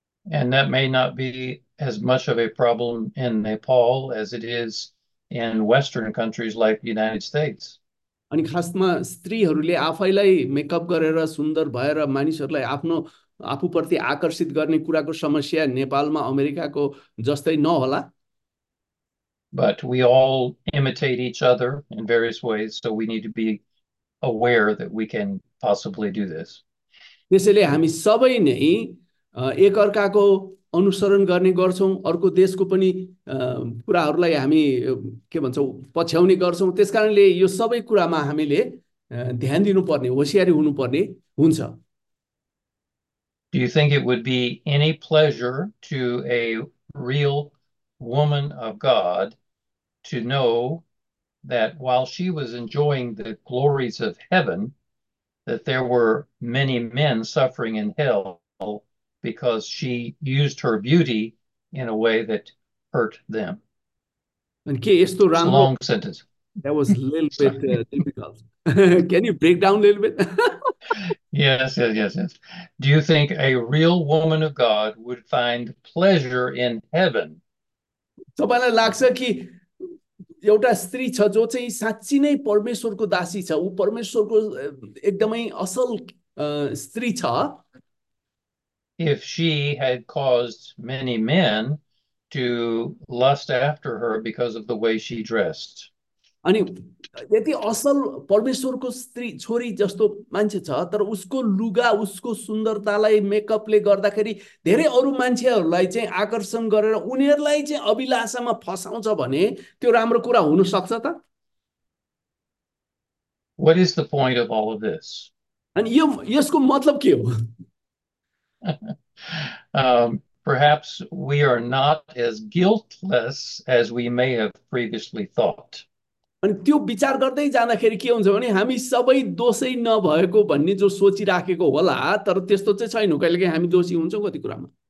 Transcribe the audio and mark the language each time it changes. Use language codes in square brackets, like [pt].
[en] And that may not be as much of a problem in Nepal as it is in Western countries like the United States. [ne] अनि खासमा स्त्रीहरूले आफैलाई makeup गरेर सुन्दर भएर मानिसहरूलाई आफ्नो आफूप्रति आकर्षित गर्ने कुराको समस्या नेपालमा अमेरिकाको जस्तै नहोला। [en] But we all imitate each other in various ways, so we need to be aware that we can possibly do this. [ne] त्यसैले हामी सबै नै एकअर्काको अनुसरण गर्ने गर्छौँ, अर्को देशको पनि कुराहरूलाई हामी के भन्छौँ पछ्याउने गर्छौँ, त्यस कारणले यो सबै कुरामा हामीले ध्यान दिनुपर्ने, होसियारी हुनुपर्ने हुन्छ। [en] Do you think it would be any pleasure to a real woman of God to know that while she was enjoying the glories of heaven, that there were many men suffering in hell? Because she used her beauty in a way that hurt them. It's a long sentence. That was a little bit difficult. Can you break down a little bit? Yes. Do you think a real woman of God would find pleasure in heaven? [ne] तपाईँलाई लाग्छ कि एउटा स्त्री छ जो चाहिँ साँच्ची नै परमेश्वरको दासी छ, ऊ परमेश्वरको एकदमै असल स्त्री छ, [en] If she had caused many men to lust after her because of the way she dressed. [ne] अनि यति असल परमेश्वरको स्त्री छोरी जस्तो मान्छे छ तर उसको लुगा उसको सुन्दरतालाई मेकअपले गर्दाखेरि धेरै अरू मान्छेहरूलाई चाहिँ आकर्षण गरेर उनीहरूलाई चाहिँ अभिलाषामा फसाउँछ भने त्यो राम्रो कुरा हुन सक्छ त? [en] What is the point of all of this? [ne] अनि यो यसको मतलब के हो? [en] Perhaps we are not as guiltless as we may have previously thought. [ne] अनि त्यो विचार गर्दै जाँदाखेरि के हुन्छ भने हामी सबै दोषै नभएको भन्ने जो सोचिराखेको होला तर त्यस्तो चाहिँ छैन, कहिलेकाहीँ हामी दोषी हुन्छौँ कति कुरामा।